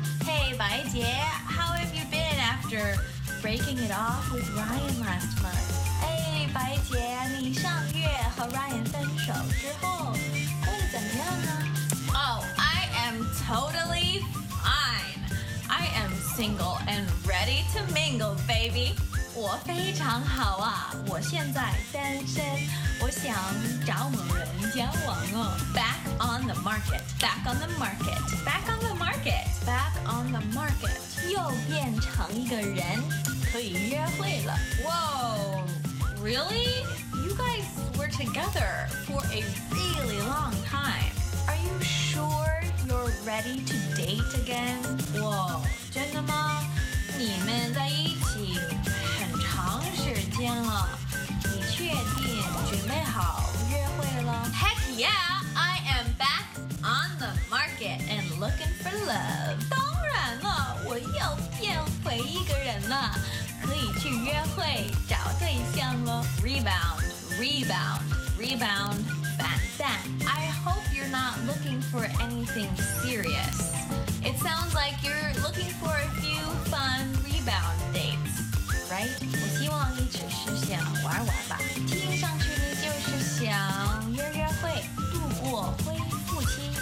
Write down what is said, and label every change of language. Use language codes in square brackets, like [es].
[en] Hey 白杰， How have you been after breaking it off with Ryan last month? [zh] 哎，白杰，你上月和 Ryan 分手之后会怎么样呢？ [en] I am totally fine. I am single and ready to mingle, baby. [zh] 我非常好啊，我现在单身，我想找某人交往哦。 [en] Back on the market, back on the market, back on the market, back on the market. [zh] 又变成一个人可以约会了。 [en] Whoa, really? You guys were together for a really long time. Are you sure you're ready to date again? [zh] Whoa, 真的吗？你们在一起很长时间了，你确定准备好约会了？ [en] Heck yeah, I am back on the market and looking for love. [zh] 当然了，我又变回一个人了。可以去约会找对象了。 [en] Rebound, rebound, rebound, [zh] 反弹。 [en] I hope you're not looking for anything serious. It sounds like you're looking for a few fun rebound dates, right? [zh] 我希望你只是想玩玩吧。听上去你就是想约约会，度过恢复期。